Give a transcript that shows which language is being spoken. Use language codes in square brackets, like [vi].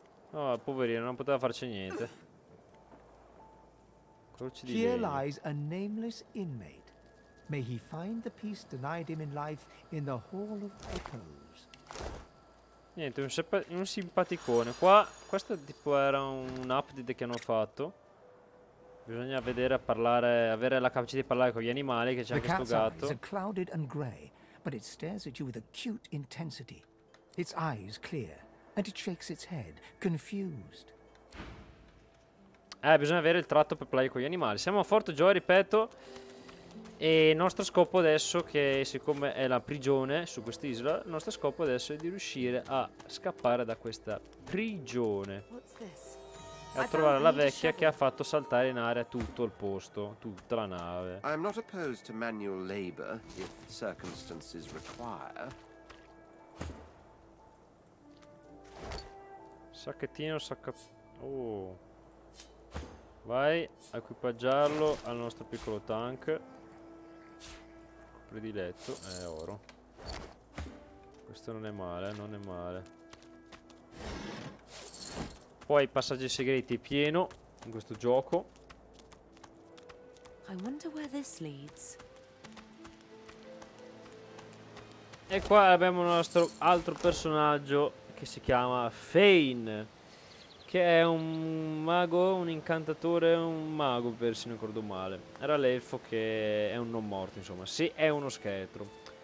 [it] No, oh, poverino, non poteva farci niente. Croce di legno. [en] Here lies a nameless inmate. May he find the peace denied him in life in the Hall of Echoes. [it] Niente, un simpaticone. Qua, questo tipo era un update che hanno fatto. Bisogna vedere a parlare, avere la capacità di parlare con gli animali, che c'è questo gatto. [en] It's clouded and gray, but it stares at you with acute intensity. Its eyes clear, and it shakes its head, confused. [it] Bisogna avere il tratto per parlare con gli animali. Siamo a Fort Joy, ripeto. E il nostro scopo adesso, che siccome è la prigione su quest'isola, il nostro scopo adesso è di riuscire a scappare da questa prigione. E a trovare la vecchia che ha fatto saltare in aria tutto il posto, tutta la nave. [en] I'm not opposed to manual labor if circumstances require. [it] Sacchettino, oh. Vai, equipaggiarlo al nostro piccolo tank. Prediletto, oro. Questo non è male, non è male. Poi passaggi segreti pieno in questo gioco. [en] I wonder where this leads. [it] E qua abbiamo un nostro altro personaggio che si chiama Fane, che è un mago, un incantatore, un mago, per se non ricordo male. Era l'elfo che è un non morto, insomma. Sì, è uno scheletro.